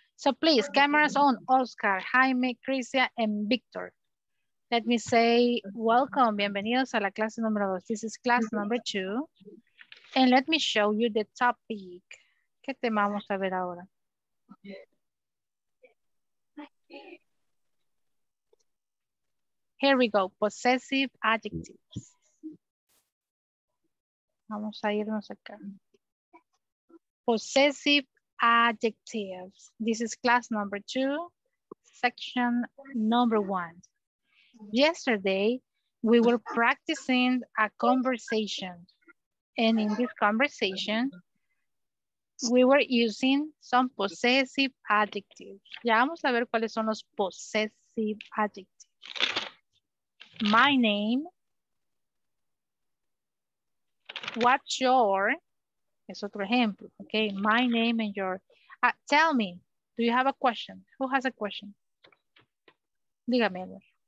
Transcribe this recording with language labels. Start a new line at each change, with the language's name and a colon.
English: So please, cameras on, Oscar, Jaime, Crisia, and Victor. Let me say welcome,
Spanish: bienvenidos a la clase número 2.
English: This is class number 2. And let me show you the topic.
Spanish: ¿Qué tema vamos a ver ahora?
English: Here we go, possessive adjectives.
Spanish: Vamos a irnos acá.
English: possessive adjectives. This is class number 2, section number 1. Yesterday, we were practicing a conversation. And in this conversation, we were using some possessive adjectives.
Spanish: Ya vamos a ver cuáles son los possessive adjectives.
English: My name. What's your?
Spanish: Es otro ejemplo.
English: Okay, my name and your. Tell me, do you have a question? Who has a question? Dígame.